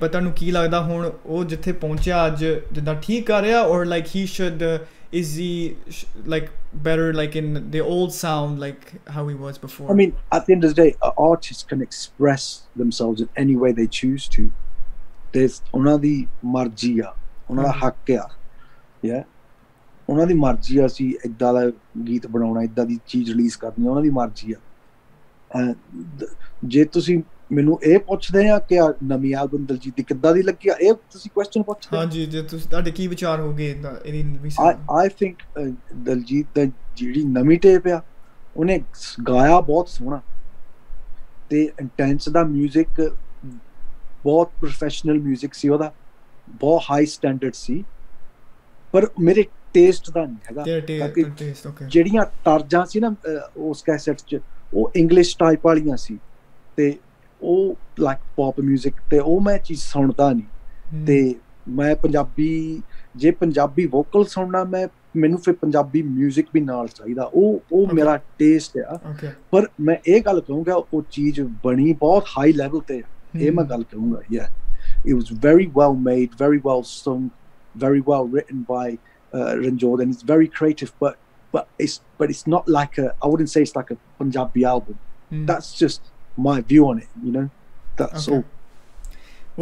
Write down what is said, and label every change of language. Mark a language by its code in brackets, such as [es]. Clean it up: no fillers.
[en] But [pa] tanu ki lagda hun oh jithe pahuncha ajj jidda theek kar reha, [en] or like he should is he better, like in the old sound, like how he was before? I mean, at the end of the day, artists can express themselves in any way they choose to. [pa] There's unadi marjiya, unada haqqiya, yeah. ਉਹਨਾਂ ਦੀ ਮਰਜ਼ੀ ਆ ਅਸੀਂ ਇੱਦਾਂ ਦਾ ਗੀਤ ਬਣਾਉਣਾ, ਇੱਦਾਂ ਦੀ ਚੀਜ਼ release ਕਰਨੀ, ਉਹਨਾਂ ਦੀ ਮਰਜ਼ੀ ਆ। ਜੇ ਤੁਸੀਂ ਮੈਨੂੰ ਇਹ ਪੁੱਛਦੇ ਆ ਕਿ ਨਵੀਂ ਐਲਬਮ ਦਲਜੀਤ ਦੀ ਕਿੱਦਾਂ ਦੀ ਲੱਗੀ ਆ, ਇਹ ਤੁਸੀਂ ਕੁਐਸਚਨ ਪੁੱਛਦੇ। ਹਾਂਜੀ, ਜੇ ਤੁਸੀਂ ਤੁਹਾਡੇ ਕੀ ਵਿਚਾਰ ਹੋਗੇ ਆਈ ਥਿੰਕ ਦਲਜੀਤ ਦਾ ਜਿਹੜੀ ਨਵੀਂ ਟੇਪ ਆ ਉਹਨੇ ਗਾਇਆ ਬਹੁਤ ਸੋਹਣਾ ਤੇ ਇੰਟੈਂਸ ਦਾ ਮਿਊਜ਼ਿਕ ਬਹੁਤ ਪ੍ਰੋਫੈਸ਼ਨਲ ਮਿਊਜ਼ਿਕ ਸੀ ਉਹਦਾ, ਬਹੁਤ ਹਾਈ ਸਟੈਂਡਰਡ ਸੀ, ਪਰ ਮੇਰੇ ਟੇਸਟ ਦਾ ਨਹੀਂ ਹੈਗਾ। ਕਿਉਂਕਿ ਜਿਹੜੀਆਂ ਤਰਜਾਂ ਸੀ ਨਾ ਉਸ ਕੈਸੈਟ 'ਚ ਉਹ ਇੰਗਲਿਸ਼ ਟਾਈਪ ਵਾਲੀਆਂ ਸੀ ਅਤੇ ਉਹ ਲਾਈਕ ਪੋਪ ਮਿਊਜ਼ਿਕ ਅਤੇ ਉਹ ਮੈਂ ਚੀਜ਼ ਸੁਣਦਾ ਨਹੀਂ ਅਤੇ ਮੈਂ ਪੰਜਾਬੀ, ਜੇ ਪੰਜਾਬੀ ਵੋਕਲ ਸੁਣਨਾ ਮੈਂ, ਮੈਨੂੰ ਫਿਰ ਪੰਜਾਬੀ ਮਿਊਜ਼ਿਕ ਵੀ ਨਾਲ ਚਾਹੀਦਾ, ਉਹ ਮੇਰਾ ਟੇਸਟ ਆ। ਪਰ ਮੈਂ ਇਹ ਗੱਲ ਕਹੂੰਗਾ ਉਹ ਚੀਜ਼ ਬਣੀ ਬਹੁਤ ਹਾਈ ਲੈਵਲ 'ਤੇ, ਇਹ ਮੈਂ ਗੱਲ ਕਹੂੰਗਾ। [en] Yes, it was very well made, very well sung, very well written by Ranjod, and it's very creative, but it's not like a, I wouldn't say it's like a Punjabi album. That's just my view on it, you know, that's okay. All